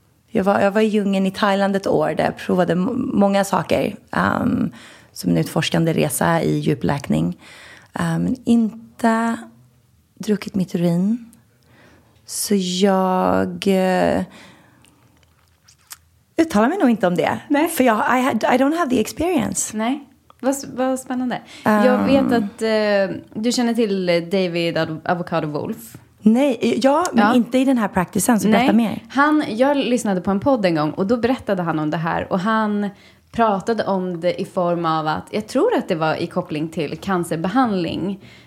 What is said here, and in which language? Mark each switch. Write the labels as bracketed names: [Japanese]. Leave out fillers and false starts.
[Swedish] Jag var i djungeln i Thailand ett år där jag provade många saker. Som en utforskande resa i djupläkning. Inte druckit mitt urin. Så jag uttalar mig nog inte om det. Nej. För jag, [English] I don't have the experience. [Swedish] Nej. Vad spännande. Jag vet att du känner till David Avocado Wolf. Nej, men inte i den här praktisen, så berätta mer. Han, jag lyssnade på en podd en gång och då berättade han om det här. Och han pratade om det i form av att, jag tror att det var i koppling till cancerbehandling.